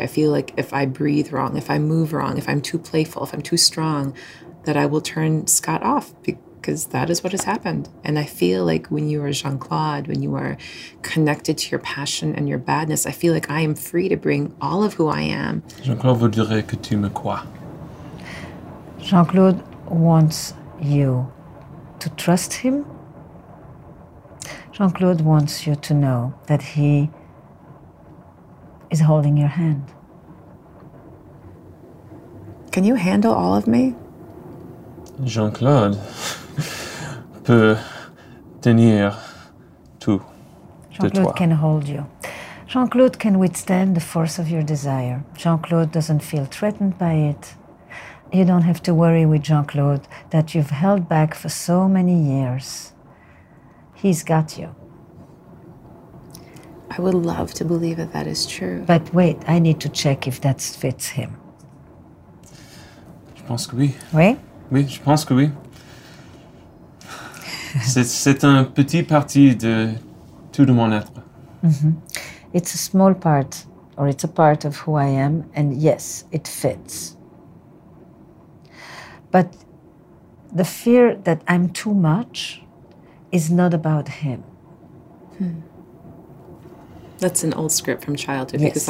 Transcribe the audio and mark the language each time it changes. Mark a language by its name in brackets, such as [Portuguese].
[English] I feel like if I breathe wrong, if I move wrong, if I'm too playful, if I'm too strong, that I will turn Scott off, because that is what has happened. And I feel like when you are Jean-Claude, when you are connected to your passion and your badness, I feel like I am free to bring all of who I am. [French] Jean-Claude vous dirait que tu me crois. [English] Jean-Claude wants you to trust him. Jean-Claude wants you to know that he is holding your hand. Can you handle all of me? [French] Jean-Claude peut tenir tout. [English] Jean-Claude can hold you. Jean-Claude can withstand the force of your desire. Jean-Claude doesn't feel threatened by it. You don't have to worry with Jean-Claude that you've held back for so many years. He's got you. I would love to believe that that is true. But wait, I need to check if that fits him. [French] Je pense que oui. Oui? Oui, je pense que oui. C'est un petit parti de tout de mon être. Mm-hmm. [English] It's a small part, or it's a part of who I am, and yes, it fits. But the fear that I'm too much is not about him. Hmm. That's an old script from childhood, yes.